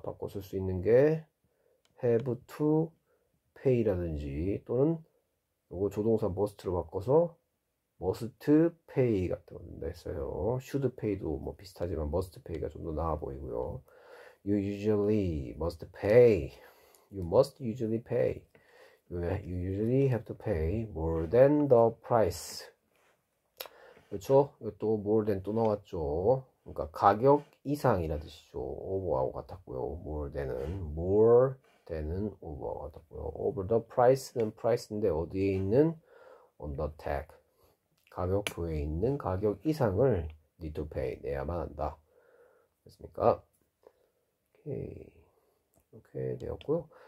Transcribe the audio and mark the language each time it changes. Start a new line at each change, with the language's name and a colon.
Korean: 바꿔 쓸수 있는 게 have to pay라든지 또는 요거 조동사 must로 바꿔서 머스트 페이 같은 건 했어요. 슈드 페이도 뭐 비슷하지만 머스트 페이가 좀더 나아 보이고요.
English: You usually must pay. You must usually pay. You usually have to pay more than the price.
Korean: 그렇죠? 또 more than 또 나왔죠. 그러니까 가격 이상이라는 뜻이죠. over하고 같았고요. more than은 over하고 같았고요. over the price는 price인데 어디에 있는? on the tag. 가격표에 있는 가격 이상을 need to pay 내야만 한다. 됐습니까? 오케이. 이렇게 되었고요.